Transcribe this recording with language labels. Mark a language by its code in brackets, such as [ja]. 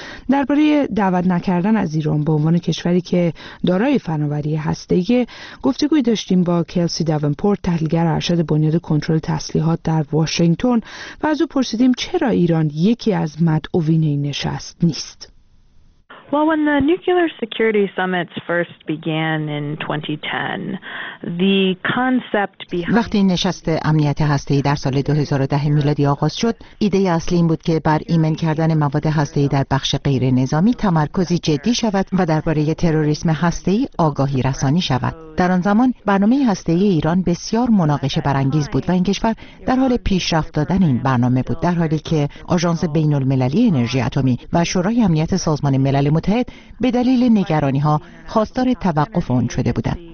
[fa] درباره دعوت نکردن از ایران به عنوان کشوری که دارای فناوری هسته‌ای، گفتگوی داشتیم با کلسی داونپورت، تحلیلگر ارشد بنیاد کنترل تسلیحات در واشنگتن، و از او پرسیدیم چرا ایران یکی از مدعوین این نشست نیست. [en] Well, when the nuclear security summits first began in 2010, the concept behind [fa] وقتی نشست امنیت هسته‌ای در سال 2010 میلادی آغاز شد، ایده اصلی این بود که بر ایمن کردن مواد هسته‌ای در بخش غیر نظامی تمرکزی جدی شود و درباره تروریسم هسته‌ای آگاهی رسانی شود. در آن زمان برنامه هسته‌ای ایران بسیار مناقشه برانگیز بود و این کشور در حال پیشرفت دادن این برنامه بود، در حالی که آژانس بین‌المللی انرژی اتمی و شورای امنیت سازمان ملل متحد به دلیل نگرانی‌ها خواستار توقف آن شده بودند.